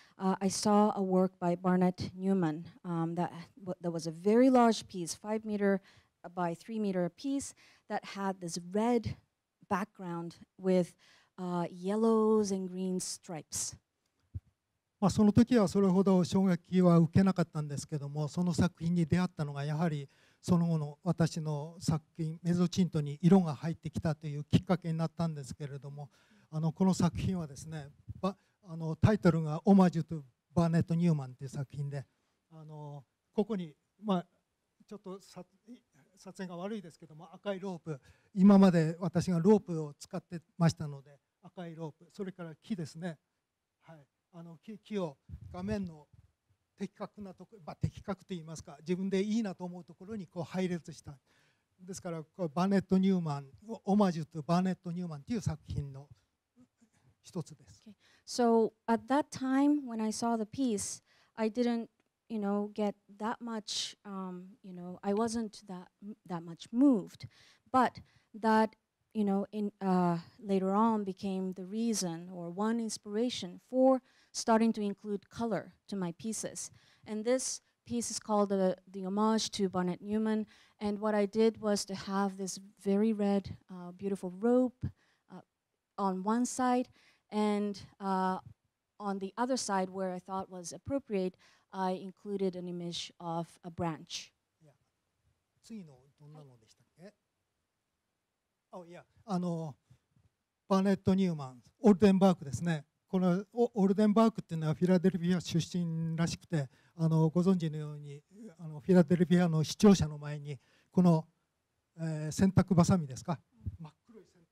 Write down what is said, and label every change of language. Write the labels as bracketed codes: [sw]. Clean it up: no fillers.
[en] I saw a work by Barnett Newman that was a very large piece, 5 meter by 3 meter piece that had this red background with yellows and green stripes. [ja] まあその時はそれほど衝撃は受けなかったんですけども、その作品に出会ったのがやはりその後の私の作品メゾチントに色が入ってきたというきっかけになったんですけれども、あのこの作品はですね、あのタイトルがオマージュとバーネット・ニューマンという作品で、あのここにまあちょっと撮影が悪いですけども赤いロープ今まで私がロープを使ってましたので赤いロープそれから木ですねはいあの木を画面の的確なとこまあ的確と言いますか自分でいいなと思うところにこう配列したですからこれバーネット・ニューマンオマージュとバーネット・ニューマンという作品の一つです、okay. [en] So at that time when I saw the piece I didn'tYou know, get that much, you know, I wasn't that much moved. But that, you know, later on became the reason or one inspiration for starting to include color to my pieces. And this piece is called the homage to Barnett Newman. And what I did was to have this very red, beautiful rope on one side and on the other side where I thought was appropriate. I included an image of a branch. Yeah. [ja] 次のどんなのでしたっけ [en] Oh, yeah. [ja] あのバーネット・ニューマン、オルデンバークですね。このオルデンバークっていうのはフィラデルフィア出身らしくて、あのご存知のようにあのフィラデルフィアの視聴者の前にこの、洗濯バサミですか真っ黒い